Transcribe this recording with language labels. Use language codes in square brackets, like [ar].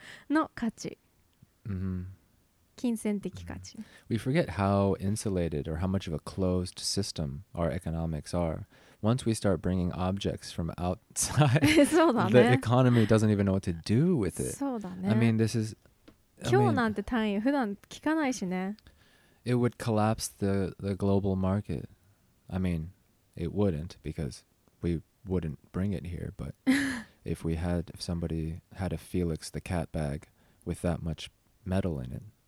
[ja] の価値、 mm-hmm. 金銭的価値。 [en] We forget how insulated or how much of a closed system our economics are. Once we start bringing objects from outside, [ja] そうだね。 [en] the economy doesn't even know what to do with it. [ja] そうだね。 [en] I mean, this is... [ja] 今日なんて単位普段聞かないしね。 [en] It would collapse the global market. I mean, it wouldn't because we wouldn't bring it here, but... If we had, if somebody had a Felix the Cat bag with that much metal in it.